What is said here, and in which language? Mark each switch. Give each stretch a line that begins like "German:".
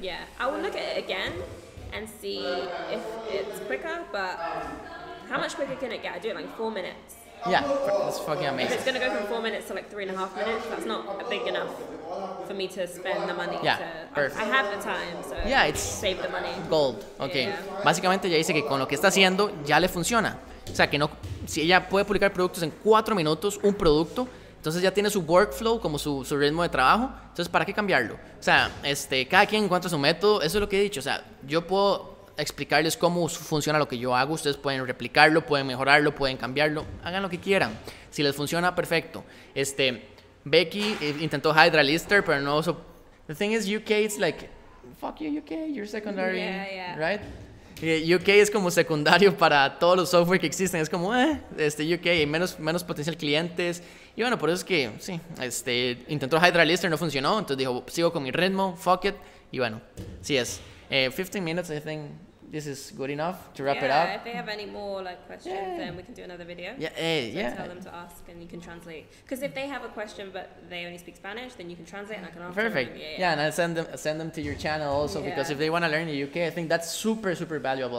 English: Yeah. I will look at it again and see if it's quicker, but how much quicker can it get? I do it like 4 minutes. Yeah, that's fucking amazing. If it's gonna go from 4 minutes to like 3.5 minutes, that's not big enough for me to spend the money. Yeah, to, perfect. I have the time, so yeah, it's save the money. Gold. Okay. Yeah.
Spanish: Básicamente ella dice que con lo que está haciendo ya le funciona. O sea, que no, si ella puede publicar productos en 4 minutos, un producto, entonces ya tiene su workflow, como su ritmo de trabajo. Entonces, ¿para qué cambiarlo? O sea, cada quien encuentra su método. Eso es lo que he dicho. O sea, yo puedo explicarles cómo funciona lo que yo hago. Ustedes pueden replicarlo, pueden mejorarlo, pueden cambiarlo. Hagan lo que quieran. Si les funciona, perfecto. Becky intentó Hydra Lister, pero no...
English: So, the thing is, UK, it's like, fuck you, UK, you're secondary, right?
Spanish: UK es como secundario para todos los software que existen. Es como, UK, menos potencial clientes. Y bueno, por eso es que, sí, intentó Hydra Lister, no funcionó. Entonces dijo, sigo con mi ritmo,
English: fuck it.
Spanish: Y bueno, sí es.
English: 15 minutes, I think this is good enough to wrap it up. Yeah, if they have any more, questions, then we can do another video. Yeah. Tell them to ask and you can translate. Because if they have a question but they only speak Spanish, then you can translate and I can answer Perfect. Them. Perfect. Yeah, and I'll send them to your channel also because if they want to learn the UK, I think that's super, super valuable.